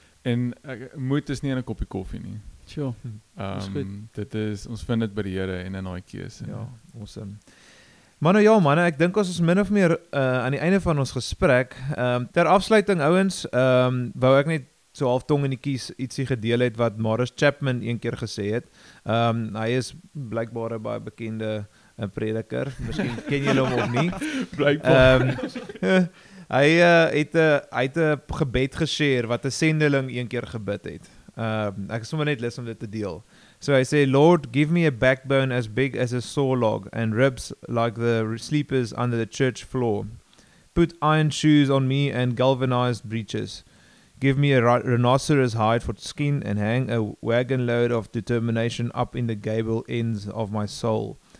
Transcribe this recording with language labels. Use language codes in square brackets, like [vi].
[af] En moed is nie in een kopie koffie nie. Tjoh, dit is, ons vind het by die Here en in die keuse. Ja, awesome. Manne, ja manne, ek dink ons min of meer aan die einde van ons gesprek. Ter afsluiting, ouwens, wou ek net so half tong in die kies ietsie gedeel het wat Morris Chapman een keer gesê het. Hy is blykbaar een baie bekende een prediker, miskien ken jy hom of nie. Blijkbaar. Hy het 'n gebed geshare wat 'n sendeling een keer gebid het. Ek is sommer net lus om dit te deel. So hy sê, [en] Lord, give me a backbone as big as a saw log and ribs like the sleepers under the church floor. Put iron shoes on me and galvanized breeches. Give me a rhinoceros hide for skin and hang a wagon load of determination up in the gable ends of my soul.